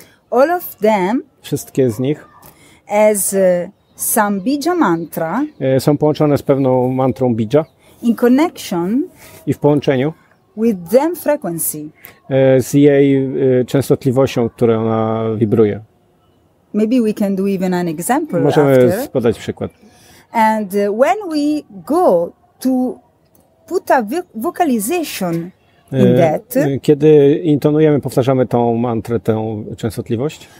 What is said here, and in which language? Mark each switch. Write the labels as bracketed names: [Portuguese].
[English] All of them. [Polish] Wszystkie z nich. [English] As some bija mantra. [Polish] Są połączone z pewną mantrą bija. [English] In connection. [Polish] I w połączeniu. [English] With them frequency. [Polish] Z jej częstotliwością, którą ona wibruje. [English] Maybe we can do even an example. [Polish] Możemy podać przykład. [English] And when we go to put a vocalization in that. [Polish] Kiedy intonujemy, powtarzamy tą mantrę, tę częstotliwość.